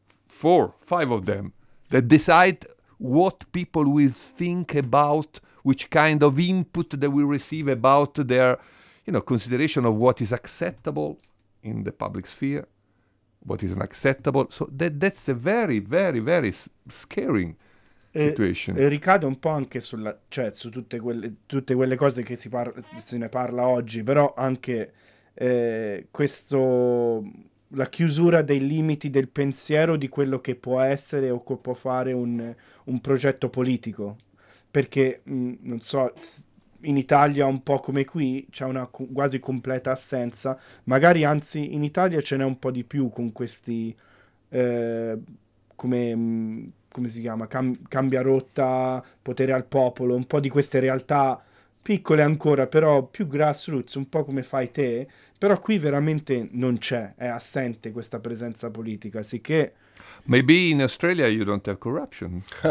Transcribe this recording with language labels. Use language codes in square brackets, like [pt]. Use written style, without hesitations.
[en] Four, five of them that decide what people will think about, which kind of input they will receive about their, you know, consideration of what is acceptable in the public sphere, what is unacceptable. So that's a very, very, very scaring situation. [it] E ricade un po' anche sulla, cioè, su tutte quelle cose che se ne parla oggi, però anche questo, la chiusura dei limiti del pensiero di quello che può essere o che può fare un progetto politico, perché non so, in Italia un po' come qui c'è una quasi completa assenza, magari anzi in Italia ce n'è un po' di più con questi come si chiama, cambia rotta, potere al popolo, un po' di queste realtà piccole ancora, però più grassroots, un po' come fai te, però qui veramente non c'è, è assente questa presenza politica, sicché... [en] Maybe in Australia you don't have corruption.